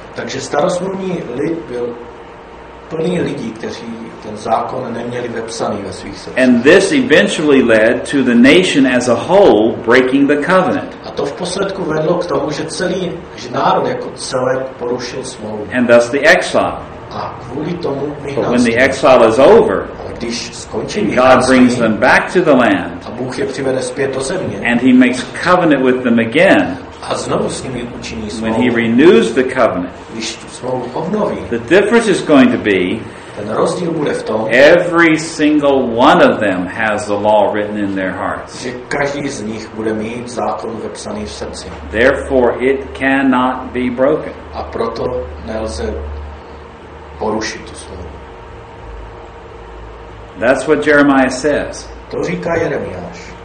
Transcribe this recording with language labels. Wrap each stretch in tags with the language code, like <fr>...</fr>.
<cs>Takže starosmluvní lid byl plný lidí, kteří ten zákon neměli vepsaný ve svých srdcích.</cs> <en>And this eventually led to the nation as a whole breaking the covenant.</en> <cs>A to v posledku vedlo k tomu, že celý národ jako celek porušil smlouvu.</cs> <en>And thus the exile.</en> <cs>A kvůli tomu</cs> <en>But when the exile is over, God brings them back to the land,</en> <cs>a Bůh je přivede zpět do země,</cs> <en>and He makes covenant with them again.</en> <cs>A znovu s nimi učiní smlouvu.</cs> <en>When He renews the covenant,</en> <cs>když smlouvu obnoví,</cs> <en>the difference is going to be,</en> <cs>ten rozdíl bude v tom,</cs> <en>every single one of them has the law written in their hearts.</en> <cs>Že každý z nich bude mít zákon vepsaný v srdci.</cs> <en>Therefore, it cannot be broken.</en> <cs>A proto nelze porušit tu slovo.</cs> <en>That's what Jeremiah says.</en> <cs>To říká Jeremiáš.</cs>